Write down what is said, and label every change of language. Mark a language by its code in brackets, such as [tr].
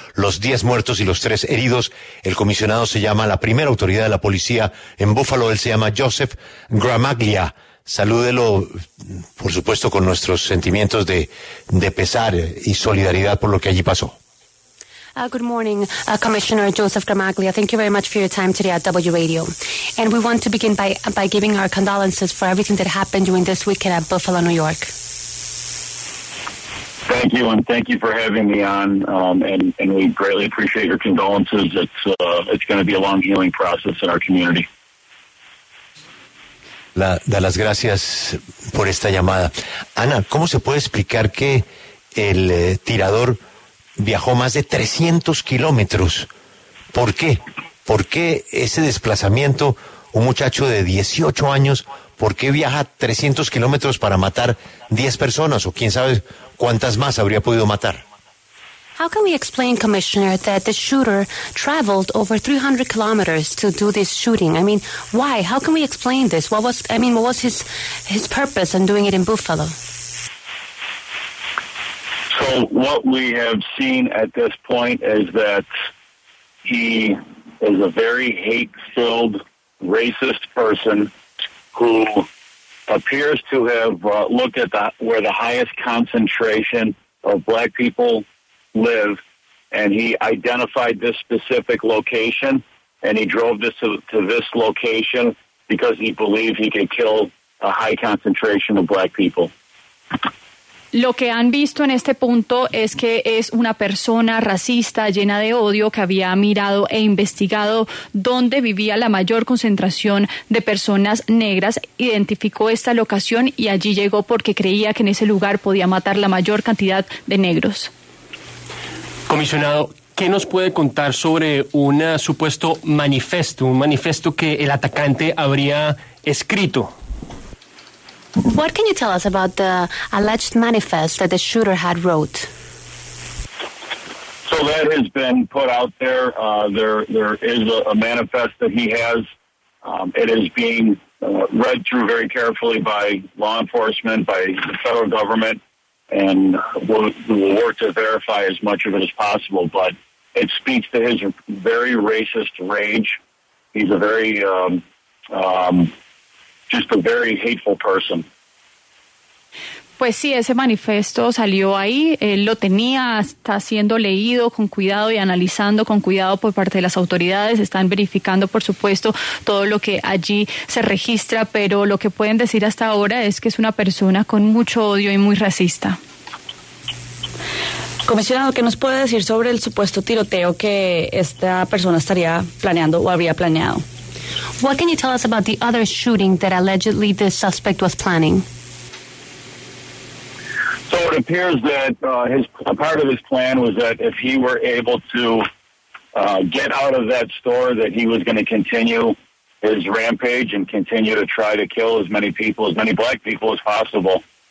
[es] Los 10 muertos y los 3 heridos. El comisionado se llama, la primera autoridad de la policía en Buffalo, él se llama Joseph Gramaglia. Salúdelo, por supuesto, con nuestros sentimientos de pesar y solidaridad por lo que allí pasó. [en] Good morning, Commissioner Joseph Gramaglia. Thank you very much for your time today at W Radio. And we want to begin by giving our condolences for everything that happened during this weekend at Buffalo, New York. Thank you, and thank you for having me on, and we greatly appreciate your condolences. It's going to be a long healing process in our community. [es] Da las gracias por esta llamada. Ana, ¿cómo se puede explicar que el tirador viajó más de 300 kilómetros? ¿Por qué? ¿Por qué ese desplazamiento, un muchacho de 18 años, por qué viaja 300 kilómetros para matar 10 personas o quién sabe cuántas más habría podido matar? [en] How can we explain, Commissioner, that the shooter traveled over 300 kilometers to do this shooting? I mean, why? How can we explain this? What was his purpose in doing it in Buffalo? So what we have seen at this point is that he is a very hate-filled, racist person who appears to have looked at where the highest concentration of black people live, and he identified this specific location, and he drove this to this location because he believed he could kill a high concentration of black people. [es] Lo que han visto en este punto es que es una persona racista llena de odio que había mirado e investigado dónde vivía la mayor concentración de personas negras, identificó esta locación y allí llegó porque creía que en ese lugar podía matar la mayor cantidad de negros. Comisionado, ¿qué nos puede contar sobre un supuesto manifiesto, un manifiesto que el atacante habría escrito? [en] What can you tell us about the alleged manifest that the shooter had wrote? So that has been put out there. There is a manifest that he has. It is being read through very carefully by law enforcement, by the federal government, and we'll work to verify as much of it as possible. But it speaks to his very racist rage. He's a very... just a very hateful person. [es] Pues sí, ese manifiesto salió ahí, él lo tenía, está siendo leído con cuidado y analizando con cuidado por parte de las autoridades, están verificando, por supuesto, todo lo que allí se registra, pero lo que pueden decir hasta ahora es que es una persona con mucho odio y muy racista. Comisionado, ¿qué nos puede decir sobre el supuesto tiroteo que esta persona estaría planeando o habría planeado? [en] What can you tell us about the other shooting that allegedly the suspect was planning? So it appears that a part of his plan was that if he were able to get out of that store, that he was going to continue his rampage and continue to try to kill as many people, as many black people as possible.